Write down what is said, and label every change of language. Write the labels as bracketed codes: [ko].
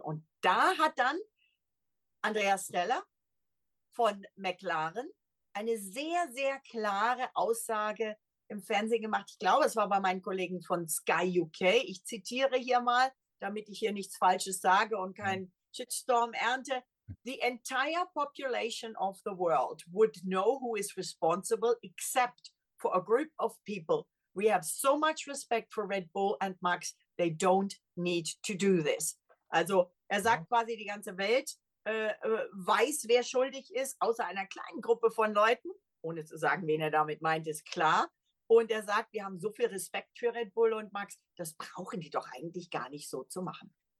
[de] Und da hat dann Andrea Stella von McLaren eine sehr, sehr klare Aussage im Fernsehen gemacht. Ich glaube, es war bei meinen Kollegen von Sky UK. Ich zitiere hier mal, damit ich hier nichts Falsches sage und keinen Shitstorm ernte. [en] The entire population of the world would know who is responsible except for a group of people We have so much respect for Red Bull and Max, they don't need to do this. [de] Also er sagt quasi, die ganze Welt weiß, wer schuldig ist, außer einer kleinen Gruppe von Leuten, ohne zu sagen, wen er damit meint, ist klar. Und er sagt, wir haben so viel Respekt für Red Bull und Max, das brauchen die doch eigentlich gar nicht so zu machen.